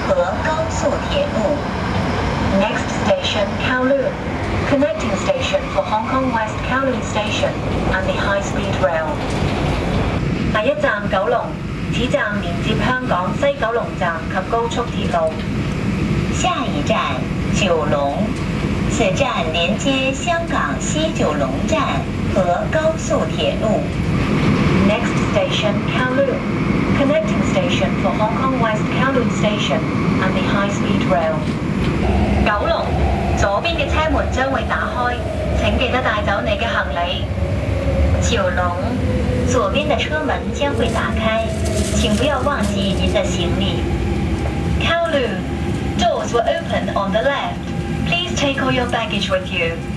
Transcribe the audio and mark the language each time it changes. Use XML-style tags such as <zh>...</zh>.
<en>Next station, Kowloon. Connecting station for Hong Kong West Kowloon Station and the High Speed Rail.</en> <zh>第一站九龙，此站连接香港西九龙站及高速铁路。下一站九龙，此站连接香港西九龙站和高速铁路。</zh> <en>Next station, Kowloon. Connecting station for Hong Kong West Kowloon Station and the High Speed Rail.</en> <zh>九龙，左边的车门将会打开，请记得带走你的行李。九龙，左边的车门将会打开，请不要忘记您的行李。</zh> <en>Kowloon, doors will open on the left. Please take all your baggage with you.</en>